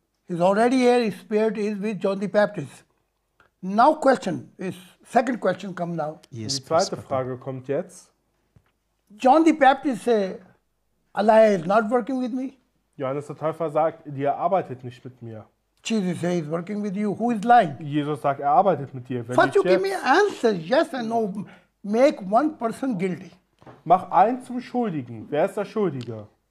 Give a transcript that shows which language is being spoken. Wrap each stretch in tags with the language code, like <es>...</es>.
<en>He's already here, his spirit is with John the Baptist. Now question is, second question come now. Yes,</en> <de>die zweite Frage kommt jetzt.</de> <en>John the Baptist say, Elijah is not working with me.</en> <de>Johannes der Täufer sagt, er arbeitet nicht mit mir.</de> <en>Jesus say he's working with you, who is lying?</en> <de>Jesus sagt, arbeitet mit dir.</de> <en>First you give me answers, yes and no, make one person guilty.</en> <de>Mach einen zum Schuldigen, wer ist der Schuldige?</de>